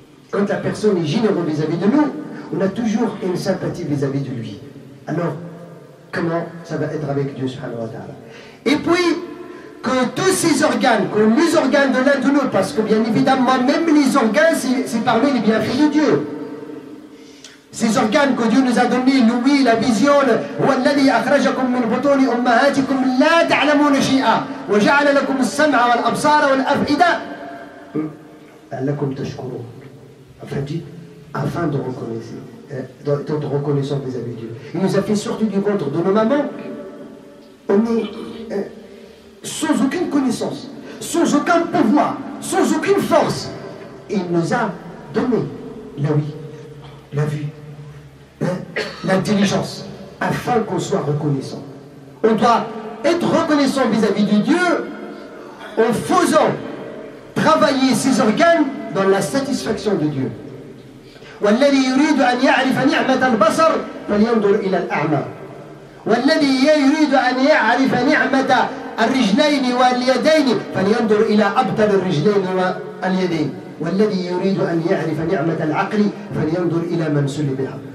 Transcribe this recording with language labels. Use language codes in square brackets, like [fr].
[fr] Quand la personne est généreuse vis-à-vis de nous, on a toujours une sympathie vis-à-vis de lui. Alors, comment ça va être avec Dieu subhanahu wa ta'ala? Et puis, que tous ces organes, que les organes de l'un de nous, parce que bien évidemment, même les organes, c'est parmi les bienfaits de Dieu. Ces organes que Dieu nous a donnés, l'ouïe, la vision, [ar] وَالَّذِي أَخْرَجَكُمْ مِنْ بُطُونِ أُمَّهَاتِكُمْ لَا تَعْلَمُونَ شَيْئًا وَجَعَلَ لَكُمُ السَّمْعَ وَالْأَبْصَارَ وَالْأَفْئِدَةَ لَعَلَّكُمْ تَشْكُرُونَ. [fr] Enfin, dit, afin de reconnaître, d'être reconnaissant vis-à-vis de Dieu. Il nous a fait sortir du ventre de nos mamans. On est sans aucune connaissance, sans aucun pouvoir, sans aucune force. Et il nous a donné l'ouïe, la vue, l'intelligence, afin qu'on soit reconnaissant. On doit être reconnaissant vis-à-vis de Dieu en faisant travailler ses organes dans la satisfaction de Dieu. [ar] والذي يريد أن يعرف نعمة البصر فلينظر إلى الأعمى والذي يريد أن يعرف نعمة الرجلين واليدين فلينظر إلى أبطل الرجلين واليدين، والذي يريد أن يعرف نعمة العقل فلينظر إلى من سلبها.